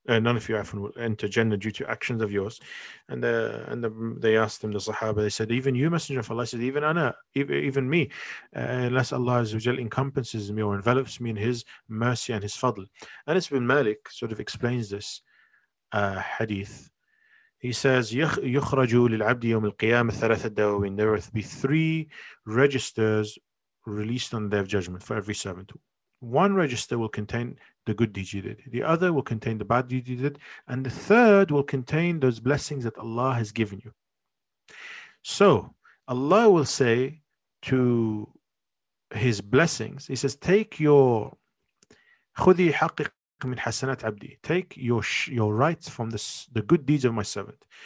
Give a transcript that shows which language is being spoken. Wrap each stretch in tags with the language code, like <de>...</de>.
<en>None of you will enter Jannah due to actions of yours. And they asked him, the Sahaba, they said, even you, Messenger of Allah, said, even Anna, even me, unless Allah Azza wa Jalla encompasses me or envelops me in His mercy and His fadl. And Anas bin Malik sort of explains this hadith. He says,</en> <ar>يُخْرَجُ لِلْعَبْدِ يَوْمِ الْقِيَامَةِ ثَلَثَ الدَّوَوِينَ.</ar> <en>There will be three registers released on their judgment for every servant. One register will contain the good deeds you did. The other will contain the bad deeds you did. And the third will contain those blessings that Allah has given you. So Allah will say to His blessings, He says, take your rights from the good deeds of my servant.</en>